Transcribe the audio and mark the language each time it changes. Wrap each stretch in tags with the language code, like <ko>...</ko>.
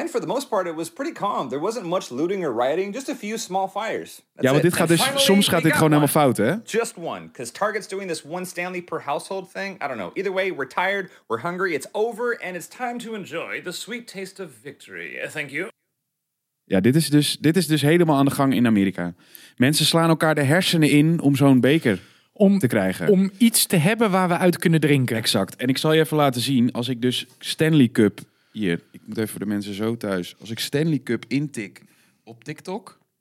<en>And for the most part, it was pretty calm. There wasn't much looting or rioting, just a few small fires. That's</en> <nl>ja, want dit gaat dus, finally, soms gaat dit gewoon helemaal fout, hè?</nl> <en>Just one, because Target's doing this one Stanley per household thing. I don't know. Either way, we're tired, we're hungry, it's over, and it's time to enjoy the sweet taste of victory. Thank you.</en> <nl>Ja, dit is dus helemaal aan de gang in Amerika. Mensen slaan elkaar de hersenen in om zo'n beker om te krijgen. Om iets te hebben waar we uit kunnen drinken. Exact. En ik zal je even laten zien, als ik dus Stanley Cup... Hier, ik moet even voor de mensen zo thuis. Als ik Stanley Cup intik op TikTok...</nl>